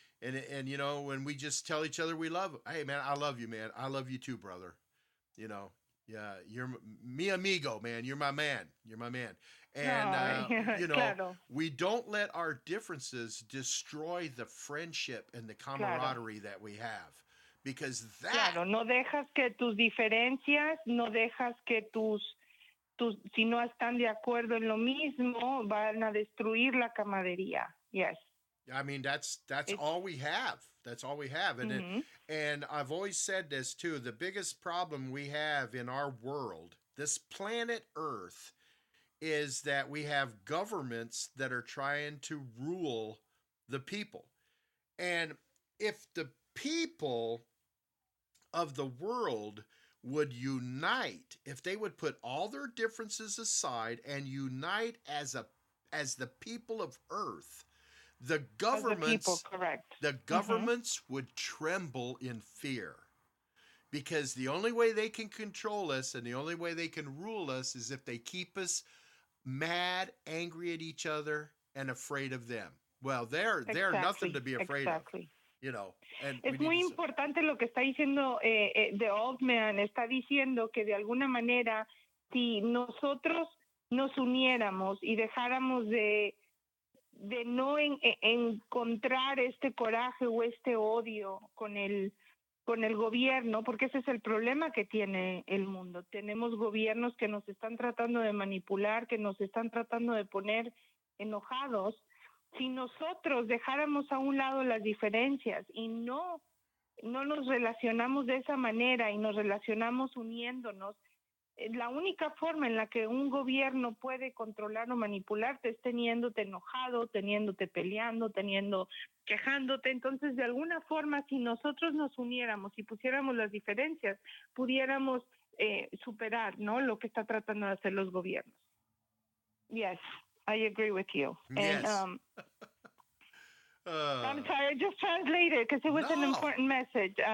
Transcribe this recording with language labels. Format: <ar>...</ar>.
<en>And you know, when we just tell each other we love, hey, man, I love you, man. I love you too, brother. You know, yeah, you're</en> <es>mi amigo,</es> <en>man. You're my man. You're my man. And, you know,</en> <es>claro.</es> <en>We don't let our differences destroy the friendship and the camaraderie</en> <es>claro.</es> <en>that we have. Because that...</en> <es>Claro, no dejas que tus diferencias, no dejas que tus, si no están de acuerdo en lo mismo, van a destruir la camaradería.</es> <en>Yes. I mean, that's all we have. That's all we have. And and I've always said this too, the biggest problem we have in our world, this planet Earth, is that we have governments that are trying to rule the people. And if the people of the world would unite, if they would put all their differences aside and unite as the people of Earth, The governments mm-hmm. would tremble in fear, because the only way they can control us and the only way they can rule us is if they keep us mad, angry at each other, and afraid of them. Well, they're nothing to be afraid of. You know, and</en> <es>es muy importante lo que está diciendo the old man. Está diciendo que de alguna manera, si nosotros nos uniéramos y dejáramos de no encontrar este coraje o este odio con el gobierno, porque ese es el problema que tiene el mundo. Tenemos gobiernos que nos están tratando de manipular, que nos están tratando de poner enojados. Si nosotros dejáramos a un lado las diferencias y no nos relacionamos de esa manera y nos relacionamos uniéndonos, la única forma en la que un gobierno puede controlar o manipularte es teniéndote enojado, teniéndote peleando, quejándote. Entonces, de alguna forma, si nosotros nos uniéramos y pusiéramos las diferencias, pudiéramos superar, ¿no?, lo que está tratando de hacer los gobiernos.</es> <en>Yes, I agree with you. Yes. I'm sorry, I just translated because it was an important message.</en>